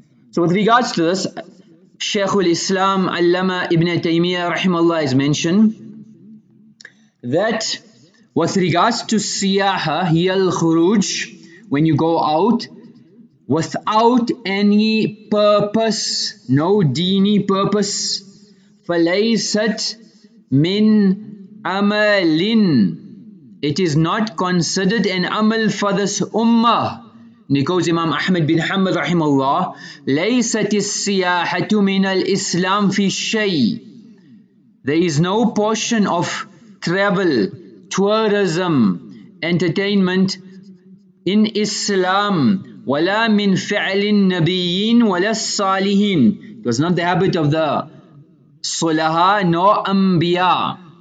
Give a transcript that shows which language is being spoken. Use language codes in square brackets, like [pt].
[en] So with regards to this, Sheikhul Islam Allama Ibn Taymiyyah rahimahullah has mentioned that with regards to siyaha, yal khuruj, when you go out without any purpose, no deeni purpose, [ar] falaysat min amalin, [en] it is not considered an amal for this ummah. [ar] نقول إمام أحمد بن حنبل رحمه الله ليست السياحة من الإسلام في شيء. [en] There is no portion of travel, tourism, entertainment in Islam [ar] ولا من فعل النبيين ولا الصالحين. [en] It was not the habit of the صلحاء nor أنبياء.